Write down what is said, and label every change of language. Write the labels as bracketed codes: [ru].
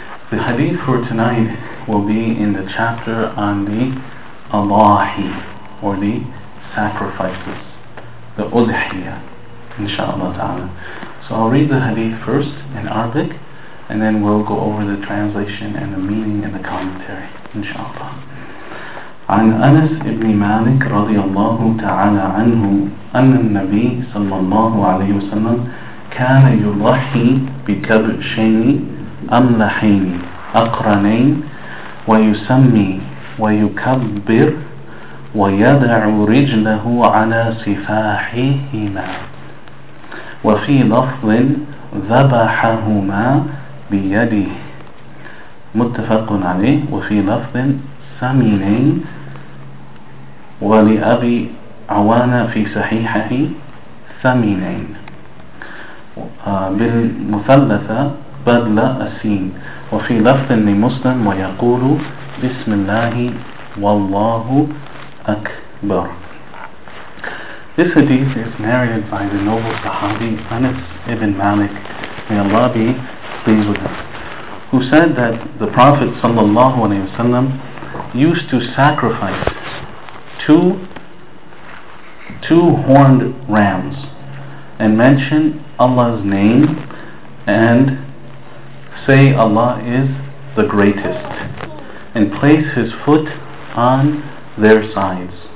[en] The hadith for tonight will be in the chapter on the Allahi, or the sacrifices, the Udhiyah, inshallah ta'ala. So I'll read the hadith first in Arabic, and then we'll go over the translation and the meaning and the commentary, inshallah. [ar] عن أنس بن مالك رضي الله تعالى عنه أن النبي صلى الله عليه وسلم كان يضحي بكبشين أملحين أقرنين ويسمي ويكبر ويضع رجله على سفاحهما وفي لفظ ذبحهما بيده متفق عليه وفي لفظ سمينين ولأبي عوانة في صحيحه ثمينين بالمثلثة بدل السين وفي لفظ لمسلم ويقول بسم الله والله أكبر. [en] This hadith is narrated by the noble Sahabi Anas ibn Malik, may Allah be pleased with him, who said that the Prophet sallallahu alaihi wasallam used to sacrifice two horned rams and mention Allah's name and say Allah is the greatest and place his foot on their sides.